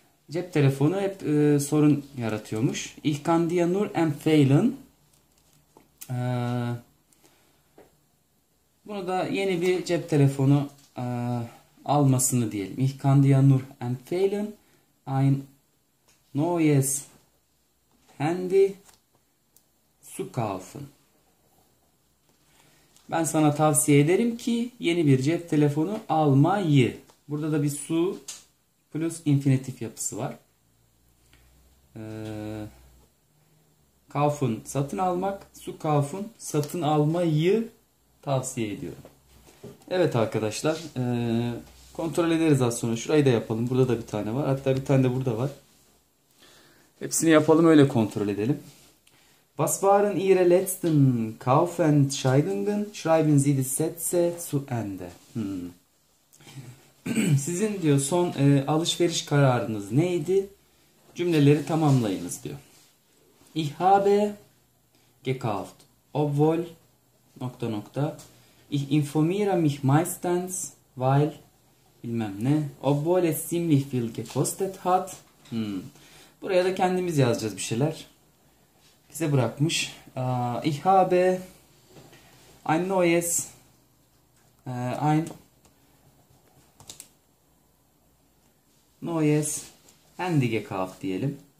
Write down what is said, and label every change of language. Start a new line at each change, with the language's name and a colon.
Turkish: Cep telefonu hep sorun yaratıyormuş.
German: Ich kann dir nur empfehlen.
Turkish: Bunu da yeni bir cep telefonu almasını diyelim.
German: Ich kann dir nur empfehlen ein neues Handy zu kaufen.
Turkish: Ben sana tavsiye ederim ki yeni bir cep telefonu almayı. Burada da bir su plus infinitif yapısı var. Kaufen satın almak. Su kaufen satın almayı tavsiye ediyorum. Evet arkadaşlar. Kontrol ederiz az sonra. Şurayı da yapalım. Burada da bir tane var. Hatta bir tane de burada var. Hepsini yapalım öyle kontrol edelim.
German: Was waren Ihre letzten Kaufentscheidungen? Schreiben Sie die Sätze zu Ende.
Turkish: Sizin diyor son alışveriş kararınız neydi? Cümleleri tamamlayınız diyor.
German: Ich habe gekauft, obwohl
Turkish: nokta nokta.
German: Ich informiere mich meistens, weil
Turkish: bilmem ne.
German: Obwohl es ziemlich viel gekostet hat.
Turkish: Buraya da kendimiz yazacağız bir şeyler. Bize bırakmış.
German: Ich habe ein neues ein neues Handy gekauft
Turkish: diyelim.